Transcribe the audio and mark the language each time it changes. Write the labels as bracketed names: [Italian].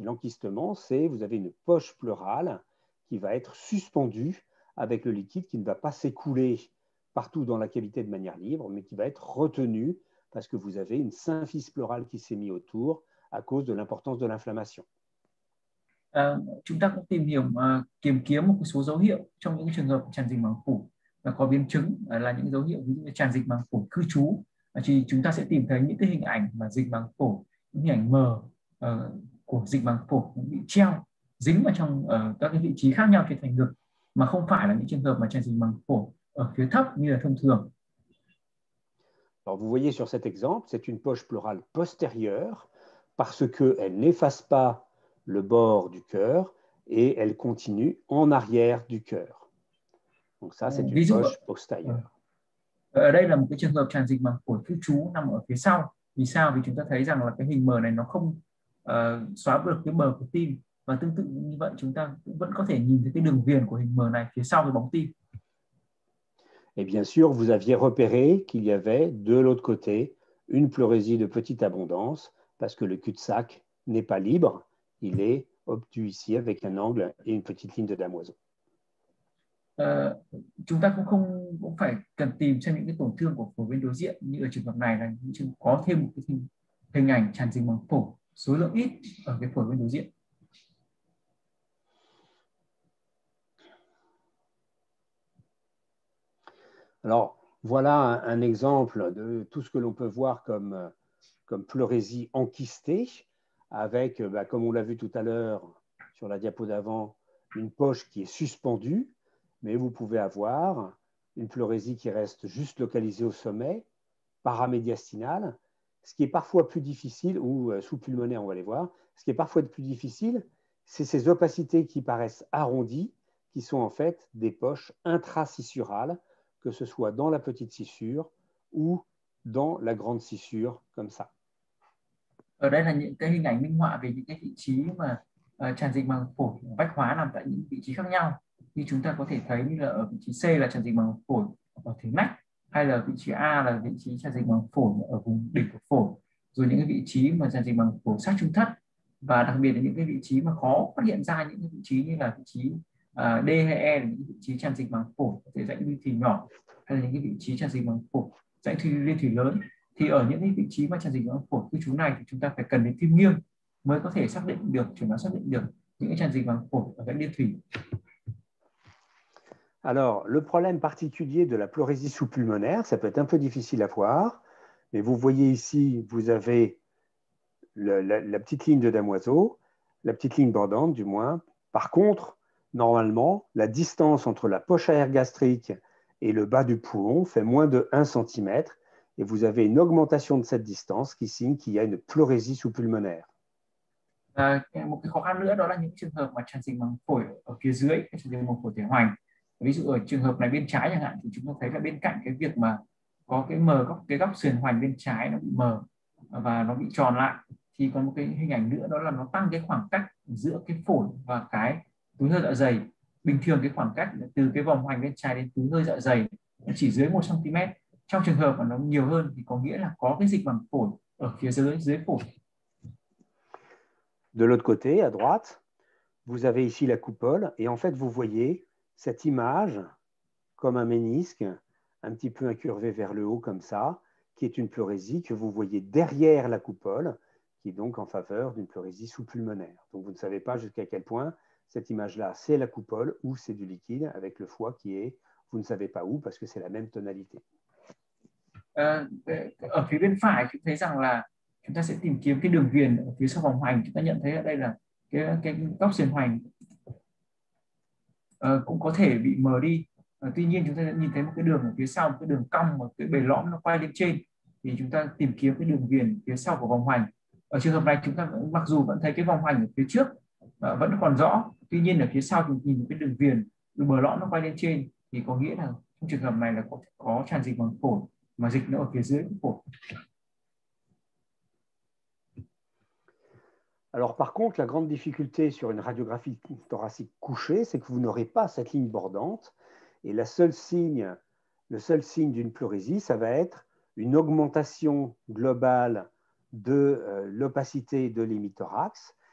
[French] L'enkystement, c'est vous avez une poche pleurale qui va être suspendue avec le liquide qui ne va pas s'écouler partout dans la cavité de manière libre, mais qui va être retenue parce que vous avez une symphyse pleurale qui s'est mise autour à cause de l'importance de l'inflammation. [Vietnamese] Chúng ta cũng tìm hiểu kiếm kiếm một số dấu hiệu trong những trường hợp tràn dịch màng phổi và có biến chứng là những dấu hiệu ví dụ như tràn dịch màng phổi cư trú, thì chúng ta sẽ tìm thấy những cái hình ảnh mà dịch màng phổi, những hình ảnh mờ của dịch màng phổi bị treo dính vào trong các cái vị trí khác nhau trên thành ngực, mà không phải là những trường hợp mà tràn dịch màng phổi ở phía thấp như là thông thường. [French] Alors vous voyez sur cet exemple, c'est une poche pleurale postérieure parce qu'elle n'efface pas le bord du cœur et elle continue en arrière du cœur. Donc ça, c'est une [Vietnamese] Ví dụ [French] poche postérieure. [Vietnamese] ở đây là một cái trường hợp tràn dịch màng phổi cư trú nằm ở phía sau. Vì sao? Vì chúng ta thấy rằng là cái hình mờ này nó không xóa được cái mờ của tim, và tương tự như vậy chúng ta cũng vẫn có thể nhìn thấy cái đường viền của hình mờ này phía sau cái bóng tim. [French] Et bien sûr, vous aviez repéré qu'il y avait de l'autre côté une pleurésie de petite abondance, parce que le cul-de-sac n'est pas libre, il est obtus ici avec un angle et une petite ligne de Damoiseau. [Vietnamese] Chúng ta cũng phải cần tìm xem những cái tổn thương của phổi bên đối diện, như ở trường hợp này là những có thêm một cái hình ảnh tràn dịch màng phổi số lượng ít ở cái phổi bên đối diện. [French] Alors, voilà un exemple de tout ce que l'on peut voir comme pleurésie enkystée, avec, bah, comme on l'a vu tout à l'heure sur la diapo d'avant, une poche qui est suspendue, mais vous pouvez avoir une pleurésie qui reste juste localisée au sommet, paramédiastinale, ce qui est parfois plus difficile, ou sous-pulmonaire, on va les voir, ce qui est parfois plus difficile, c'est ces opacités qui paraissent arrondies, qui sont en fait des poches intra-scissurales. Que ce soit dans la petite scissure ou dans la grande scissure, comme ça. [Vietnamese] Ở đây là những cái hình ảnh minh họa về những cái vị trí mà tràn dịch màng phổi bách hóa nằm tại những vị trí khác nhau. Như chúng ta có thể thấy như là ở vị trí C là tràn dịch màng phổi ở thể nách, hay là vị trí A là vị trí tràn dịch màng phổi ở vùng đỉnh của phổi, rồi những cái vị trí mà tràn dịch màng phổi sát trung thất, và đặc biệt là những cái vị trí mà khó phát hiện ra, những cái vị trí như là vị trí D hay E là những vị trí tràn dịch màng phổi có thể rãnh ly thủy nhỏ, hay là những cái vị trí tràn dịch màng phổi rãnh ly thủy lớn. Thì ở những cái vị trí mà tràn dịch màng phổi cư trú này thì chúng ta phải cần đến tim nghiêng mới có thể xác định được, chuẩn đoán xác định được những cái tràn dịch màng phổi ở rãnh ly thủy. [French] Alors, le problème particulier de la pleurésie sous-pulmonaire, ça peut être un peu difficile à voir, mais vous voyez ici, vous avez la petite ligne de Damoiseau, la petite ligne bordante du moins. Par contre, normalement, la distance entre la poche à air gastrique et le bas du poumon fait moins de 1 cm et vous avez une augmentation de cette distance qui signe qu'il y a une pleurésie sous-pulmonaire. [Vietnamese] Một cái khó khăn nữa đó là những trường hợp mà tràn dịch màng phổi ở phía dưới, tràn dịch màng phổi thể hoành. Ví dụ ở trường hợp này bên trái chẳng hạn, thì chúng ta thấy là bên cạnh cái việc mà có cái mờ, cái góc sườn hoành bên trái nó bị mờ và nó bị tròn lại, thì còn một cái hình ảnh nữa đó là nó tăng cái khoảng cách giữa cái phổi và cái túi hơi dạ dày. Bình thường cái khoảng cách từ cái vòng hoành bên trái đến túi hơi dạ dày nó chỉ dưới 1 cm, trong trường hợp mà nó nhiều hơn thì có nghĩa là có cái dịch màng phổi ở phía dưới phổi. [French] De l'autre côté, à droite, vous avez ici la coupole et en fait, vous voyez cette image comme un ménisque, un petit peu incurvé vers le haut comme ça, qui est une pleurésie que vous voyez derrière la coupole, qui est donc en faveur d'une pleurésie sous-pulmonaire. Donc vous ne savez pas jusqu'à quel point cette image-là, c'est la coupole ou c'est du liquide avec le foie qui est, vous ne savez pas où, parce que c'est la même tonalité. [Vietnamese] Ở phía bên phải chúng thấy rằng là chúng ta sẽ tìm kiếm cái đường viền ở phía sau vòng hoành, chúng ta nhận thấy ở đây là cái góc sườn hoành cũng có thể bị mờ đi, tuy nhiên chúng ta nhìn thấy một cái đường ở phía sau, một cái đường cong mà cái bề lõm nó quay lên trên, thì chúng ta tìm kiếm cái đường viền phía sau của vòng hoành. Ở trường hợp này chúng ta mặc dù vẫn thấy cái vòng hoành ở phía trước vẫn còn rõ, tuy nhiên ở phía sau chúng ta nhìn cái đường viền bờ lõm nó quay lên trên thì có nghĩa là trong trường hợp này là có tràn dịch bằng phổi mà dịch nó ở phía dưới phổi. [French] Alors par contre, la grande difficulté sur une radiographie thoracique couchée, c'est que vous n'aurez pas cette ligne bordante. Et le seul signe d'une pleurésie, ça va être une augmentation globale de l'opacité de l'hémithorax.